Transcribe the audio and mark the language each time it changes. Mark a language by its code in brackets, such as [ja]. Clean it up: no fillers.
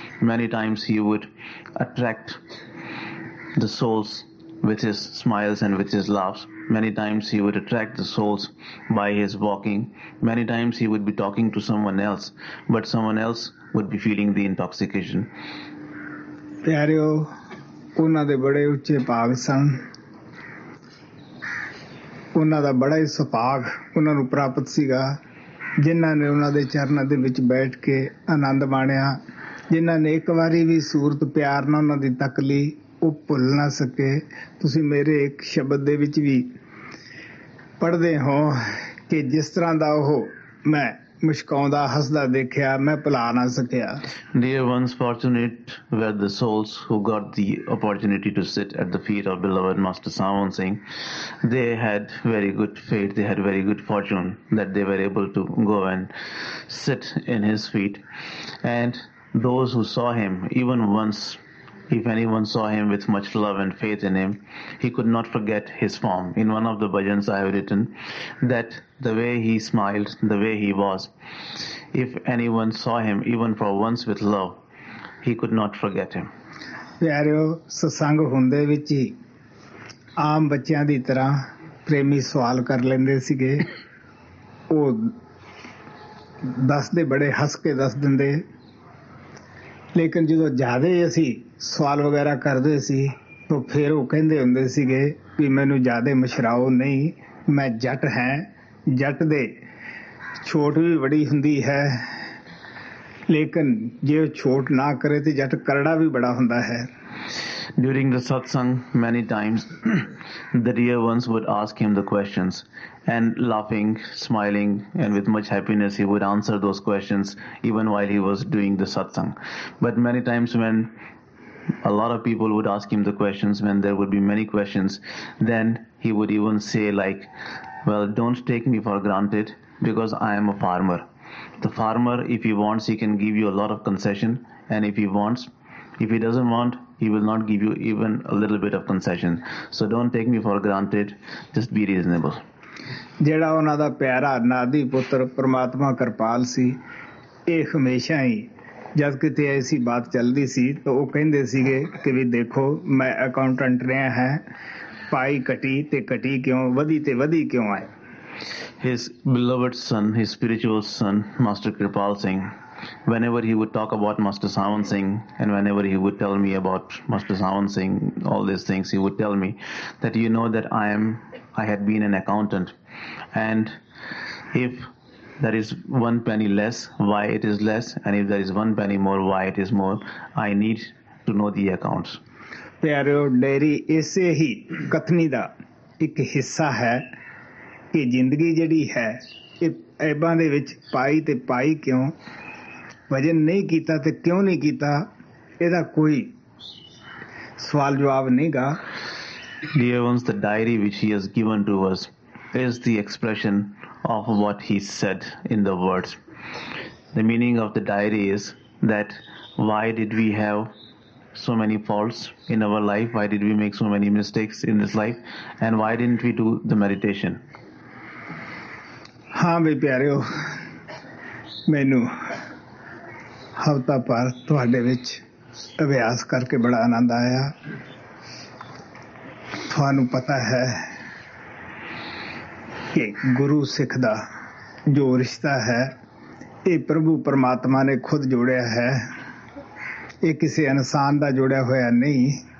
[en] Many times he would attract the souls with his smiles and with his laughs. Many times he would attract the souls by his walking. Many times he would be talking to someone else, but someone else would be feeling the intoxication. [pa] Pyareo, ਉਹਨਾਂ ਦੇ ਬੜੇ ਉੱਚੇ ਭਾਗ ਸਨ ਉਹਨਾਂ ਦਾ ਬੜਾ ਹੀ ਸੁਭਾਗ ਉਹਨਾਂ ਨੂੰ ਪ੍ਰਾਪਤ ਸੀਗਾ ਜਿਨ੍ਹਾਂ ਨੇ ਉਹਨਾਂ ਦੇ ਚਰਨਾਂ ਦੇ ਵਿੱਚ ਬੈਠ ਕੇ ਆਨੰਦ ਮਾਣਿਆ ਜਿਨ੍ਹਾਂ ਨੇ ਇੱਕ ਵਾਰੀ ਵੀ ਸੂਰਤ ਪਿਆਰ ਨਾਲ ਉਹਨਾਂ ਦੀ ਤੱਕ ਲਈ ਉਹ ਭੁੱਲ ਨਾ ਸਕੇ। ਤੁਸੀਂ ਮੇਰੇ ਇੱਕ ਸ਼ਬਦ ਦੇ ਵਿੱਚ ਵੀ ਪੜ੍ਹਦੇ ਹੋ ਕਿ ਜਿਸ ਤਰ੍ਹਾਂ ਦਾ ਉਹ ਮੈਂ ਮੁਸ਼ਕਾਉਂਦਾ ਹੱਸਦਾ ਦੇਖਿਆ ਮੈਂ ਭੁਲਾ ਨਾ ਸਕਿਆ. [en] Dear ones, fortunate were the souls who got the opportunity to sit at the feet of beloved Master Savan Singh. They had very good fate, they had very good fortune that they were able to go and sit in his feet. And those who saw him, even once, if anyone saw him with much love and faith in him, he could not forget his form. In one of the bhajans I have written that the way he smiled, the way he was, if anyone saw him even for once with love, he could not forget him. [pa] ਪਿਆਰਿਓ, ਸਤਸੰਗ ਹੁੰਦੇ ਵਿੱਚ ਹੀ ਆਮ ਬੱਚਿਆਂ ਦੀ ਤਰ੍ਹਾਂ ਪ੍ਰੇਮੀ ਸਵਾਲ ਕਰ ਲੈਂਦੇ ਸੀਗੇ. ਉਹ ਦੱਸਦੇ, ਬੜੇ ਹੱਸ ਕੇ ਦੱਸ ਦਿੰਦੇ. ਲੇਕਿਨ ਜਦੋਂ ਜ਼ਿਆਦਾ ਅਸੀਂ ਸਵਾਲ ਵਗੈਰਾ ਕਰਦੇ ਸੀ ਤਾਂ ਫਿਰ ਉਹ ਕਹਿੰਦੇ ਹੁੰਦੇ ਸੀਗੇ ਵੀ ਮੈਨੂੰ ਜ਼ਿਆਦਾ ਮਸ਼ਰਾਓ ਨਹੀਂ, ਮੈਂ ਜੱਟ ਹੈ, ਜੱਟ ਦੇ ਛੋਟ ਵੀ ਬੜੀ ਹੁੰਦੀ ਹੈ, ਲੇਕਿਨ ਜੇ ਉਹ ਛੋਟ ਨਾ ਕਰੇ ਤਾਂ ਜੱਟ ਕਰੜਾ ਵੀ ਬੜਾ ਹੁੰਦਾ ਹੈ. [en] During the satsang, many times the dear ones would ask him the questions, and laughing, smiling, and with much happiness, he would answer those questions even while he was doing the satsang. But many times when a lot of people would ask him the questions, when there would be many questions, then he would even say like, well, don't take me for granted because I am a farmer. The farmer, if he wants, he can give you a lot of concession, and if he wants, if he doesn't want, he will not give you even a little bit of concession. So don't take me for granted. Just be reasonable. [pa] ਜਿਹੜਾ ਉਹਨਾਂ ਦਾ ਪਿਆਰਾ ਨਾਦੀ ਪੁੱਤਰ ਪਰਮਾਤਮਾ ਕਿਰਪਾਲ ਸੀ, ਇਹ ਹਮੇਸ਼ਾ ਹੀ ਜਦ ਕਿਤੇ ਐਸੀ ਬਾਤ ਚੱਲਦੀ ਸੀ ਤਾਂ ਉਹ ਕਹਿੰਦੇ ਸੀਗੇ ਕਿ ਵੀ ਦੇਖੋ, ਮੈਂ ਅਕਾਊਂਟੈਂਟ ਰਿਹਾ ਹੈ, ਪਾਈ ਕੱਟੀ ਅਤੇ ਕੱਟੀ ਕਿਉਂ, ਵਧੀ ਅਤੇ ਵਧੀ ਕਿਉਂ ਆਏ. [en] His beloved son, his spiritual son, Master Kirpal Singh, whenever he would talk about Master Savan Singh, and whenever he would tell me about Master Savan Singh, all these things, he would tell me that, you know, that I had been an accountant, and if there is one penny less, why it is less, and if there is one penny more, why it is more, I need to know the accounts. [pa] ਪਿਆਰਿਓ, dairy ਇਸੇ ਹੀ ਕਥਨੀ ਦਾ ਇੱਕ ਹਿੱਸਾ ਹੈ ਕਿ ਜ਼ਿੰਦਗੀ ਜਿਹੜੀ ਹੈ ਇਹ ਐਬਾਂ ਦੇ ਵਿੱਚ ਪਾਈ ਅਤੇ ਪਾਈ ਕਿਉਂ, ਵਜਨ ਨਹੀਂ ਕੀਤਾ ਅਤੇ ਕਿਉਂ ਨਹੀਂ ਕੀਤਾ, ਇਹਦਾ ਕੋਈ ਸਵਾਲ ਜਵਾਬ ਨਹੀਂ ਗਾ. [en] Dear ones, the diary which he has given to us is the expression of what he said in the words. The meaning of the diary is that why did we have so many faults in our life, why did we make so many mistakes in this life, and why didn't we do the meditation? [pa] ਹਾਂ ਬਈ ਪਿਆਰਿਓ, ਮੈਨੂੰ ਹਫ਼ਤਾ ਭਰ ਤੁਹਾਡੇ ਵਿੱਚ ਅਭਿਆਸ ਕਰਕੇ ਬੜਾ ਆਨੰਦ ਆਇਆ. ਤੁਹਾਨੂੰ ਪਤਾ ਹੈ ਕਿ ਗੁਰੂ ਸਿੱਖ ਦਾ ਜੋ ਰਿਸ਼ਤਾ ਹੈ ਇਹ ਪ੍ਰਭੂ ਪਰਮਾਤਮਾ ਨੇ ਖੁਦ ਜੋੜਿਆ ਹੈ, ਇਹ ਕਿਸੇ ਇਨਸਾਨ ਦਾ ਜੋੜਿਆ ਹੋਇਆ ਨਹੀਂ.